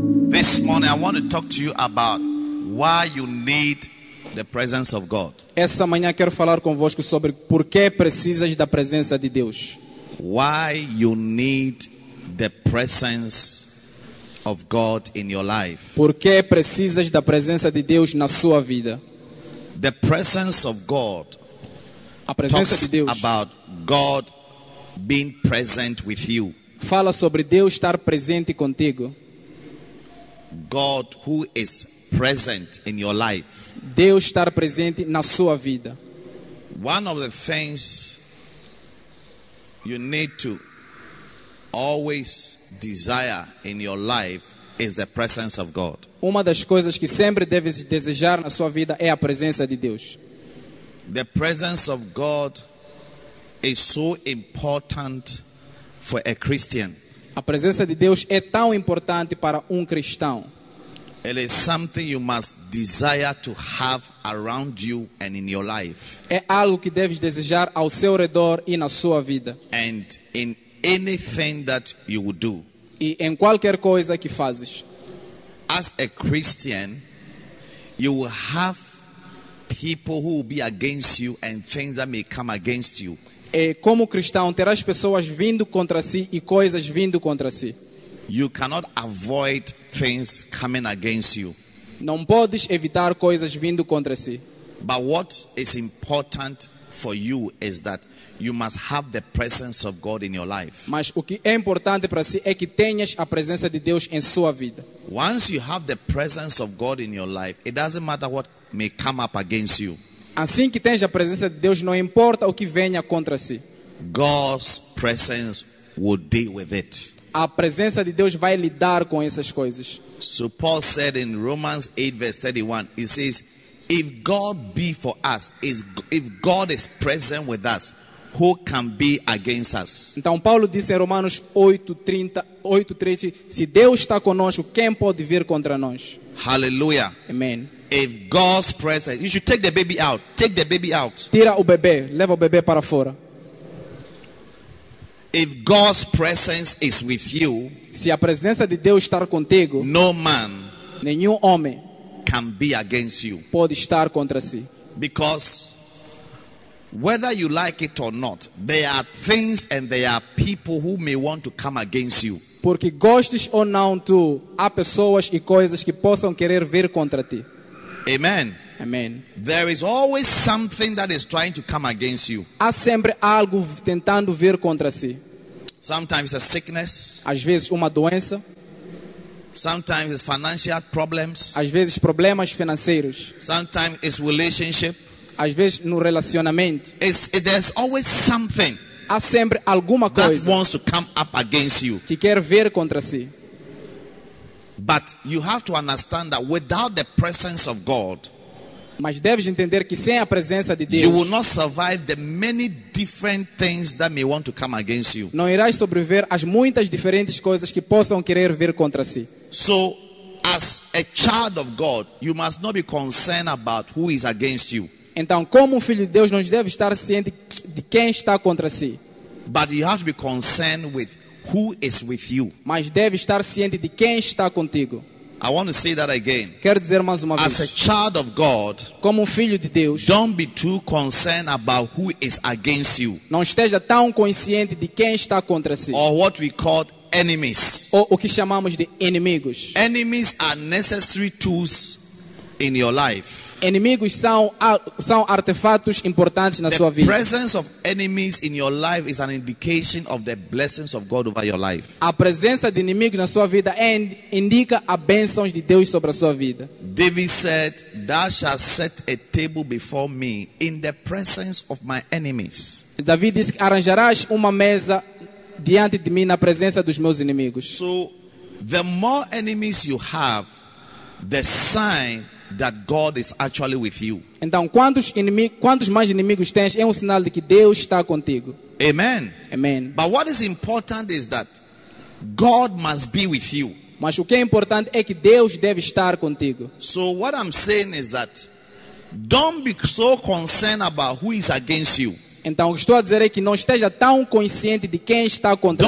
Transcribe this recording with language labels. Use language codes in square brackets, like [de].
[en] This morning I want to talk to you about why you need the presence of God. [pt] Essa manhã quero falar convosco sobre por que precisas da presença de Deus. [en] Why you need the presence of God in your life. [pt] Por que precisas da presença de Deus na sua vida? [en] The presence of God. [pt] A presença [en] talks [pt] de Deus. [en] About God being present with you. [pt] Fala sobre Deus estar presente contigo. [en] God who is present in your life. [pt] Deus estar presente na sua vida. [en] One of the things you need to always desire in your life is the presence of God. [pt] Uma das coisas que sempre deve desejar na sua vida é a presença de Deus. [en] The presence of God is so important for a Christian. [pt] A presença de Deus é tão importante para cristão. [en] It is something you must desire to have around you and in your life. [pt] É algo que deves desejar ao seu redor e na sua vida. [en] And in anything that you would do. [pt] E em qualquer coisa que fazes. [en] As a Christian, you will have people who will be against you and things that may come against you. [pt] E como cristão, terás pessoas vindo contra si e coisas vindo contra si. [en] You cannot avoid things coming against you. [pt] Não podes evitar coisas vindo contra si. [en] But what is important for you is that you must have the presence of God in your life. [pt] Mas o que é importante para si é que tenhas a presença de Deus em sua vida. [en] Once you have the presence of God in your life, it doesn't matter what may come up against you. [pt] Assim que tens a presença de Deus, não importa o que venha contra si. [en] God's presence will deal with it. [pt] A presença de Deus vai lidar com essas coisas. [en] So Paul said in Romans 8 verse 31, he says, if God be for us, if God is present with us, who can be against us? [pt] Então Paulo disse em Romanos 8:30, se Deus está conosco, quem pode vir contra nós? [en] Hallelujah. [pt] Amen. [en] If God's presence, you should take the baby out. Take the baby out. [pt] Tira o bebê, leva o bebê para fora. [en] If God's presence is with you, [pt] se a presença de Deus estar contigo, [en] no man, [pt] nenhum homem, [en] can be against you. [pt] Pode estar contra si. [en] Because whether you like it or not, there are things and there are people who may want to come against you. [pt] Porque gostes ou não tu, há pessoas e coisas que possam querer vir contra ti. [en] Amen. [pt] Amen. [en] There is always something that is trying to come against you. [pt] Há sempre algo tentando vir contra si. [en] Sometimes a sickness. [pt] Às vezes uma doença. [en] Sometimes it's financial problems. [pt] Às vezes problemas financeiros. [en] Sometimes it's relationship. [pt] Às vezes no relacionamento. [en] There's always something. [pt] Há sempre alguma coisa [en] that wants to come up against you. [pt] Que quer vir contra si. [en] But you have to understand that without the presence of God, [pt] mas deves entender que sem a presença de Deus, [en] you will not survive the many different things that may want to come against you. [pt] Não irás sobreviver às muitas diferentes coisas que possam querer vir contra si. [en] So, as a child of God, you must not be concerned about who is against you. [pt] Então, como um filho de Deus, não deve estar ciente de quem está contra si. [en] But you have to be concerned with who is with you. [pt] Mas deve estar ciente de quem está contigo. [en] I want to say that again. [pt] Quero dizer mais uma vez. [en] As a child of God, [pt] como um filho de Deus, [en] don't be too concerned about who is against you. [pt] Não esteja tão consciente de quem está contra si. [en] Or what we call enemies. [pt] Ou o que chamamos de inimigos. [en] Enemies are necessary tools in your life. [pt] Inimigos são artefatos importantes na sua vida. [en] The presence of enemies in your life is an indication of the blessings of God over your life. [pt] A presença de inimigos na sua vida indica a bênção de Deus sobre a sua vida. [en] David said, "Thou shalt set a table before me in the presence of my enemies." [pt] David disse que arranjarás uma mesa diante de mim na presença dos meus inimigos. [en] So, the more enemies you have, the sign that God is actually with you. [pt] Então, quantos mais inimigos tens é sinal de que Deus está contigo. [en] Amen. [pt] Amen. [en] But what is important is that God must be with you. [pt] Mas o que é importante é que Deus deve estar contigo. [en] So what I'm saying is that don't be so concerned about who is against you. [pt] Então, o que estou a dizer é que não esteja tão consciente de quem está contra